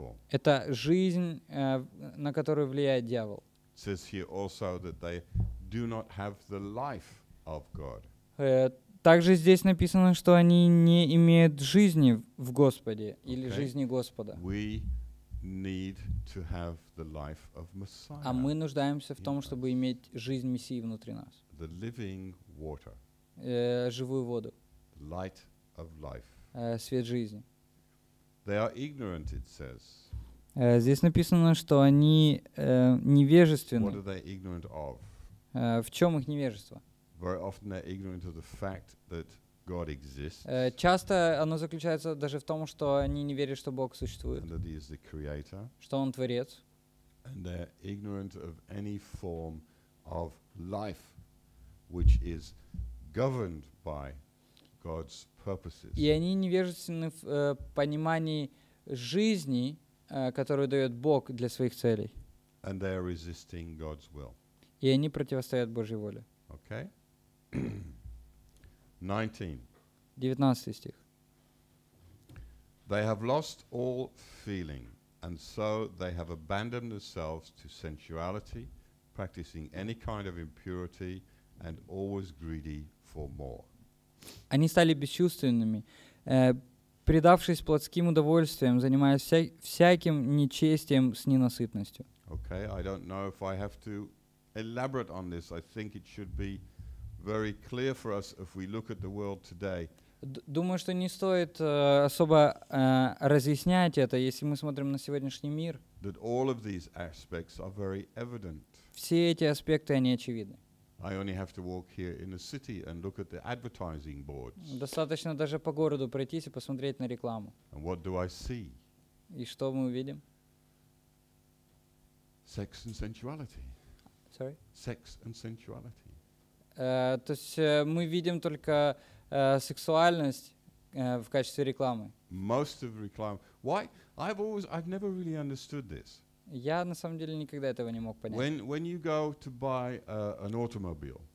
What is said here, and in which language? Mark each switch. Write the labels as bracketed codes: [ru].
[ru] Это жизнь, на которую влияет дьявол. [en] Says here also that they do not have the life of God. [ru] Также здесь написано, что они не имеют жизни в Господе или жизни Господа. [en] We need to have the life of Messiah. [ru] А мы нуждаемся в том, чтобы иметь жизнь Мессии внутри нас. [en] The living water. [ru] Живую воду. [en] Light of life. [ru] Свет жизни. [en] They are ignorant, it says. [ru] Здесь написано, что они невежественны. [en] What are they ignorant of? [ru] В чем их невежество? [en] Very often they're ignorant of the fact that God exists. [ru] Часто оно заключается даже в том, что они не верят, что Бог существует. [en] And that he is the creator. [ru] Что он творец. [en] And they're ignorant of any form of life. Which is governed by God's purposes. [ru] И они невежественны в понимании жизни, которую дает Бог для своих целей. [en] And they are resisting God's will. [ru] И они противостоят Божьей воле. [en] Okay. 19. [ru] 19 стих. [en] They have lost all feeling, and so they have abandoned themselves to sensuality, practicing any kind of impurity. And always greedy for more. [ru] Они стали бесчувственными, предавшись плотским удовольствиям, занимаясь всяким нечестием с ненасытностью. [en] Okay, I don't know if I have to elaborate on this. I think it should be very clear for us if we look at the world today. [ru] Думаю, что не стоит особо разъяснять это, если мы смотрим на сегодняшний мир. [en] That all of these aspects are very evident. [ru] Все эти аспекты, они очевидны. [en] I only have to walk here in the city and look at the advertising boards. [ru] Достаточно даже по городу пройтись и посмотреть на рекламу. [en] And what do I see? [ru] И что мы увидим? [en] Sex and sensuality. Sorry? Sex and sensuality. [ru] То есть мы видим только сексуальность в качестве рекламы. [en] Most of the reclam- Why? I've never really understood this. [ru] Я на самом деле никогда этого не мог понять. [en] When you go to buy an automobile.